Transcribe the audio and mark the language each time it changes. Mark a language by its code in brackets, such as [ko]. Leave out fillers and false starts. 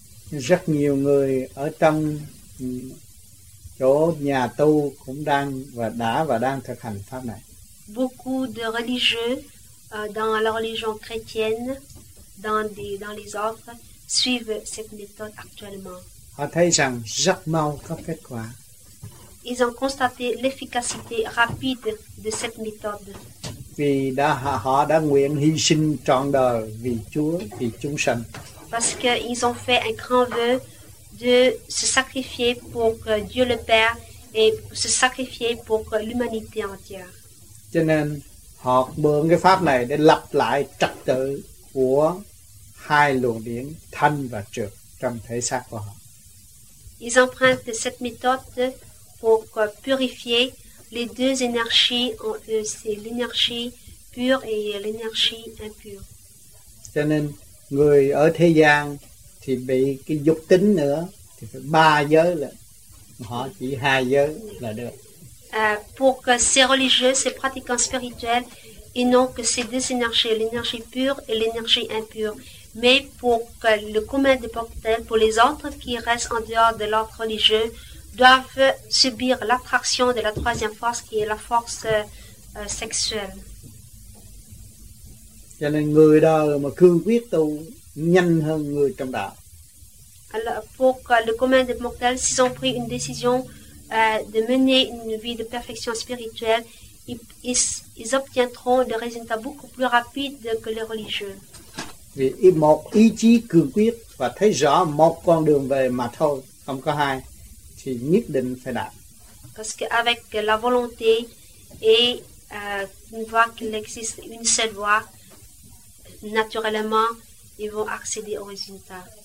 [vi] Rất nhiều người ở trong chỗ nhà tu cũng đã và đang thực hành pháp này. [fr] Beaucoup de religieux dans la religion chrétienne, dans les ordres, suivent cette méthode actuellement. [vi] Họ thấy rằng rất mau có kết quả. [fr] Ils ont constaté l'efficacité rapide de cette méthode. [vi] Vì đã họ đã nguyện hy sinh trọn đời vì Chúa, vì chúng sanh. [fr] Parce qu'ils ont fait un grand vœu de se sacrifier pour Dieu le Père et se sacrifier pour l'humanité entière. [vi] Cho nên họ mượn cái pháp này để lập lại trật tự của hai luồng điển thanh và trược trong thể xác của họ. [fr] Ils empruntent cette méthode pour purifier les deux énergies en eux, c'est l'énergie pure et l'énergie impure. [vi] Cho nên người ở thế gian thì bị cái dục tính nữa thì phải ba giới là họ chỉ hai giới là được. [fr] Pour que ces religieux, ces pratiquants spirituels, ils n'ont que ces deux énergies, l'énergie pure et l'énergie impure. Mais pour que le commun des mortels, pour les autres qui restent en dehors de l'ordre religieux, doivent subir l'attraction de la troisième force qui est la force sexuelle. [vi] Cho nên người đời mà cương quyết tu nhanh hơn người trong đạo. [fr] Alors, pour le commun des mortels, s'ils ont pris une décision de mener une vie de perfection spirituelle, ils obtiendront des résultats beaucoup plus rapides que les religieux. [vi] Vì một ý chí cương quyết và thấy rõ một con đường về mà thôi, không có hai, thì nhất định phải đạt. [fr] Parce qu'avec la volonté et une voie qu'il existe une seule voie, naturellement, ils vont accéder au résultat.